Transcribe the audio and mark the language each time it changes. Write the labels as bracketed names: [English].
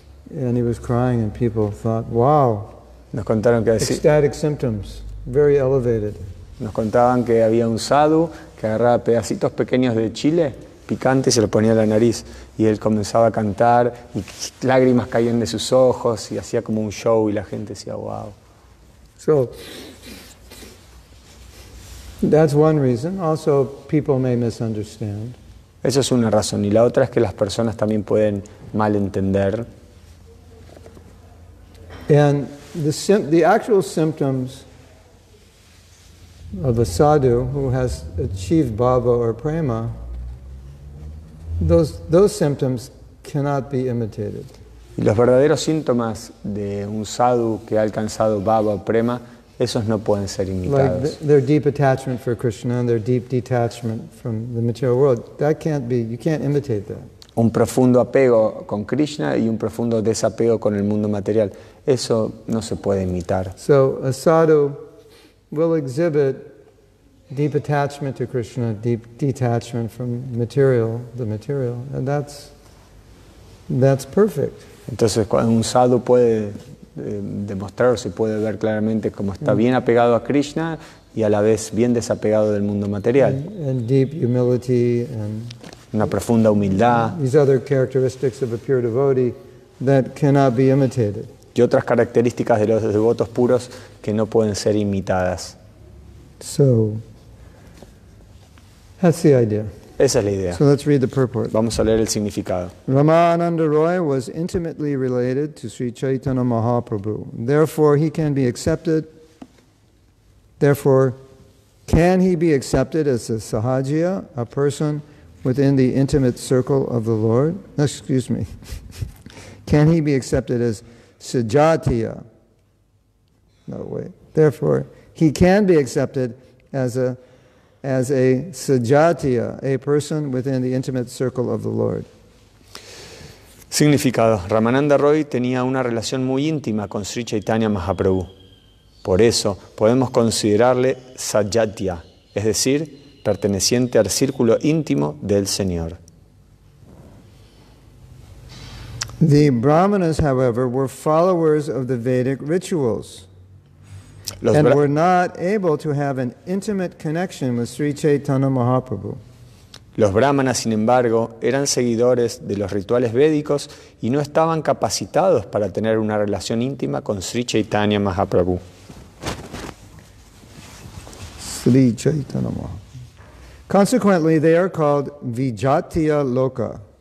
[English] And he was crying, and people thought, "Wow!" [Spanish] Nos contaron que [English] ecstatic symptoms, very elevated. [Spanish] Nos contaban que había un sadhu que agarraba pedacitos pequeños de chile picante y se lo ponía en la nariz, y él comenzaba a cantar y lágrimas caían de sus ojos y hacía como un show y la gente decía, "Wow!" [English] So that's one reason. Also, people may misunderstand. [Spanish] Eso es una razón, y la otra es que las personas también pueden malentender. [English] And the actual symptoms of a sadhu who has achieved bhava or prema, those symptoms cannot be imitated. [Spanish] Y los verdaderos síntomas de un sadhu que ha alcanzado bhava o prema, esos no pueden ser imitados. [English] Like their deep attachment for Krishna and their deep detachment from the material world, that can't be, you can't imitate that. [Spanish] Un profundo apego con Krishna y un profundo desapego con el mundo material, eso no se puede imitar. [English] So a sadhu will exhibit deep attachment to Krishna, deep detachment from the material, and that's perfect. [Spanish] Entonces, cuando un sadhu puede demostrarse, puede ver claramente cómo está bien apegado a Krishna y a la vez bien desapegado del mundo material. [English] And deep humility and [Spanish] una profunda humildad. [English] These other characteristics of a pure devotee that cannot be imitated. [Spanish] Y otras características de los devotos puros que no pueden ser imitadas. [English] So, that's the idea. [Spanish] Esa es la idea. [English] So let's read the purport. [Spanish] Vamos a leer el significado. [English] Rāmānanda Rāya was intimately related to Śrī Caitanya Mahāprabhu. Therefore, he can be accepted. Therefore, can he be accepted as a sahajiya, a person within the intimate circle of the Lord? Excuse me. Can he be accepted as sajatiya? No way. Therefore, he can be accepted as a sajatiya, a person within the intimate circle of the Lord. [Spanish] Significado. Ramananda Roy tenía una relación muy íntima con Sri Chaitanya Mahaprabhu. Por eso, podemos considerarle sajatiya, es decir, perteneciente al círculo íntimo del Señor. [English] The brahmanas, however, were followers of the Vedic rituals. And were not able to have an intimate connection with Sri Caitanya Mahaprabhu. [Spanish] Los brahmanas, sin embargo, eran seguidores de los rituales védicos y no estaban capacitados para tener una relación íntima con Sri Caitanya Mahaprabhu. [English] Sri Caitanya Mahaprabhu. Consequently, they are called Vijatiya Loka.